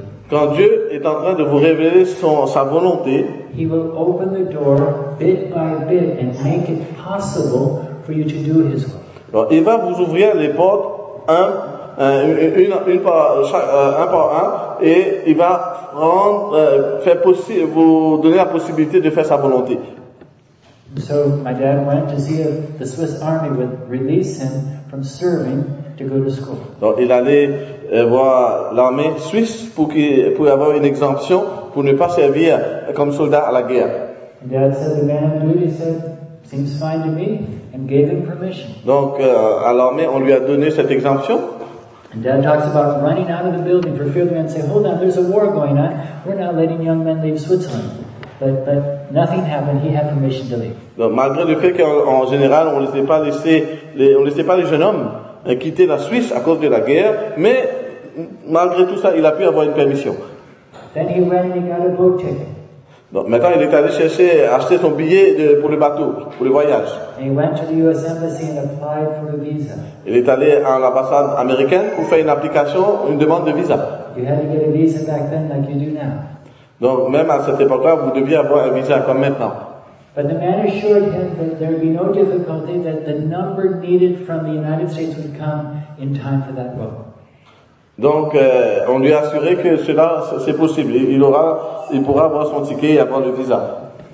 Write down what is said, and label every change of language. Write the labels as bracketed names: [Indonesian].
[French] Quand Dieu est en train de vous révéler sa volonté, il va ouvrir la porte [English] bit by bit and make it possible for you to do his will. [French] Donc, il va vous ouvrir les portes un par un, et il va vous donner la possibilité de faire sa volonté. [English] So my dad went to see if the Swiss Army would release him from serving to go to school. [French] Donc il allait voir l'armée suisse pour avoir une exemption pour ne pas servir comme soldat à la guerre. [English] And dad said the man on duty said, seems fine to me, and gave him permission. [French] Donc à l'armée on lui a donné cette exemption. [English] And Dad talks about running out of the building for fear the man say, hold on, there's a war going on. We're not letting young men leave Switzerland. But nothing happened. He had permission to leave. [French] Donc, malgré le fait qu'en général, on ne laissait pas les jeunes hommes quitter la Suisse à cause de la guerre, mais malgré tout ça, il a pu avoir une permission. [English] Then he went and he got a boat ticket. [French] Donc, maintenant, il est allé acheter son billet pour le bateau, pour le voyage. [English] And he went to the U.S. Embassy and applied for a visa. [French] Il est allé à l'ambassade américaine pour faire une application, une demande de visa. [English] You had to get a visa back then like you do now. [French] Donc, même à cette époque-là, vous deviez avoir un visa comme maintenant. [English] But the man assured him that there would be no difficulty, that the number needed from the United States would come in time for that vote. [French] Donc, on lui a assuré que cela, c'est possible. Il pourra avoir son ticket et avoir le visa.